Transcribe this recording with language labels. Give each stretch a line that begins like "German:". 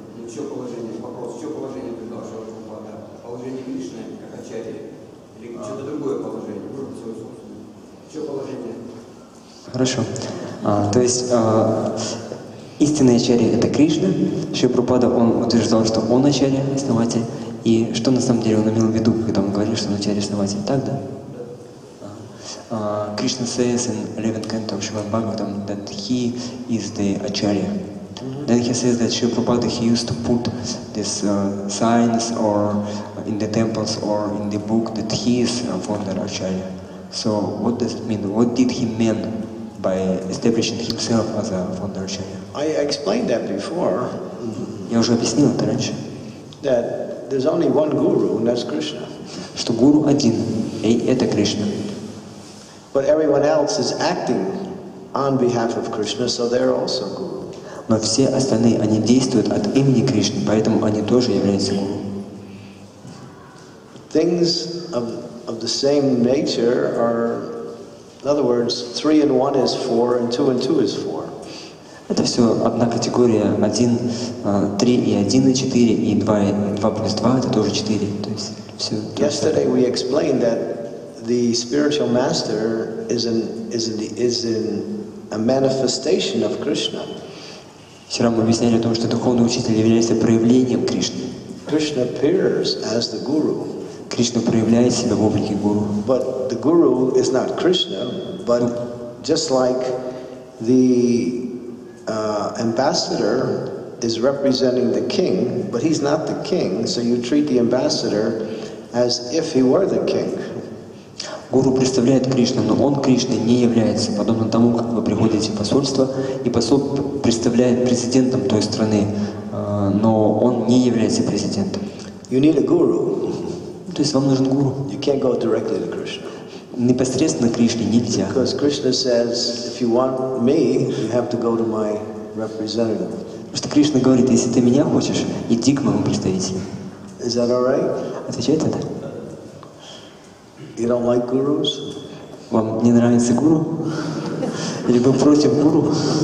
Russian: Ну, чье положение, вопрос, чье положение утверждал Шрила Прабхупада? Положение Кришны, как Ачарья, или что-то другое положение, может быть, свое собственное. Чье положение? Хорошо. То есть истинная Ачарья — это Кришна. Шрила Прабхупада, он утверждал, что он Ачарья, основатель. И что на самом деле он имел в виду, когда он говорил, что он Ачарья, основатель? Так, да?
English: Krishna says in 11th canto of Srimad Bhagavatam that he is the Acharya. Then he says that Shri Prabhupada, he used to put these signs or in the temples or in the book that he is founder Acharya. So what does it mean? What did he mean by establishing himself as a founder Acharya? I explained that before.
Russian: Я уже объяснил это раньше.
English: That there's only one guru, and that's Krishna.
Russian: Что гуру один, и это Кришна.
English: But everyone else is acting on behalf of Krishna, so they're also guru.
Russian: Но все остальные, они действуют от имени Кришны, поэтому они тоже являются гуру.
English: Things of the same nature are, in other words, three and one is four, and two is four.
Russian: Это все одна категория, 1, 3 и 1 и 4, и 2, 2 плюс 2, это тоже 4, то есть все.
English: Yesterday we explained that the spiritual master is in a manifestation of Krishna.
Russian: Вчера мы объясняли о том, что духовный учитель является проявлением Кришны.
English: Krishna appears as the guru.
Russian: Кришна проявляет себя в облике гуру.
English: But the guru is not Krishna, but just like the ambassador is representing the king, but he's not the king, so you treat the ambassador as if he were the king.
Russian: Гуру представляет Кришну, но он Кришна не является, подобно тому, как вы приходите в посольство, и посол представляет президентом той страны, но он не является президентом.
English: You need a guru.
Russian: То есть вам нужен гуру.
English: You can't go directly to Krishna.
Russian: Непосредственно Кришне нельзя.
English: Because Krishna says, if you want me, you have to go to my representative.
Russian: Потому что Кришна говорит, если ты меня хочешь, иди к моему представителю.
English: Is that all right?
Russian: Отвечает это?
English: You don't like gurus?
Russian: Вам не нравится гуру? Или вы против гуру?